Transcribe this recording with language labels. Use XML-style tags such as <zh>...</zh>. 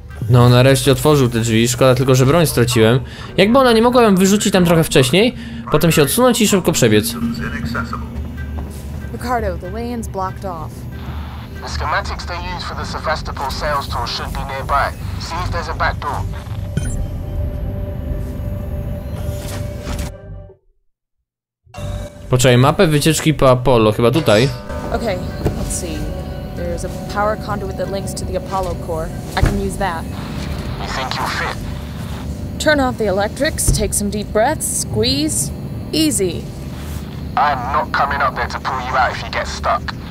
<pl>No, nareszcie otworzył te drzwi, szkoda tylko, że broń straciłem. Jakby ona nie mogła ją wyrzucić tam trochę wcześniej, potem się odsunąć i szybko przebiec.</pl> <en>Ricardo, the way-in's blocked off. The schematics they use for the Sevastopol sales tour should be nearby. See if there's a back door.</en> <pl>Poczekaj, mapę wycieczki po Apollo, chyba tutaj.</pl> <en>Okay, let's see. There's a power conduit that links to the Apollo core. I can use that. You think you'll fit? Turn off the electrics, take some deep breaths, squeeze. Easy. I'm not coming up there to pull you out if you get stuck.</en>